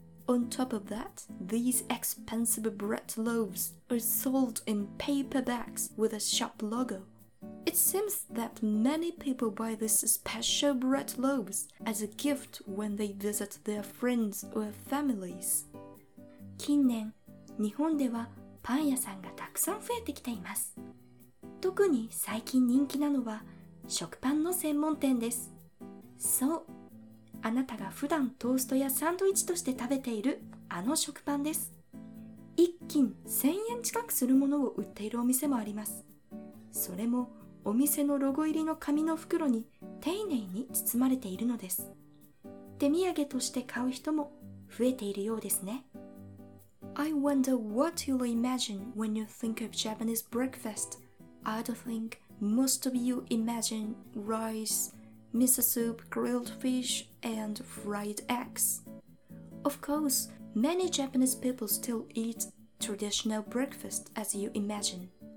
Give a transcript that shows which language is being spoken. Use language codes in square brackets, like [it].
[en] On top of that, these expensive bread loaves are sold in paper bags with a shop logo. It seems that many people buy these special bread loaves as a gift when they visit their friends or families. [ja] 近年、日本ではパン屋さんがたくさん増えてきています。特に最近人気なのは食パンの専門店です。そう。あなたが普段トーストやサンドイッチとして食べているあの食パンです。一斤1000円近くするものを売っているお店もあります。それもお店のロゴ入りの紙の袋に丁寧に包まれているのです。手土産として買う人も増えているようですね。 [en] I wonder what you'll imagine when you think of Japanese breakfast. I'd think most of you imagine rice... Miso soup, grilled fish, and fried eggs. Of course, many Japanese people still eat traditional breakfast as you imagine.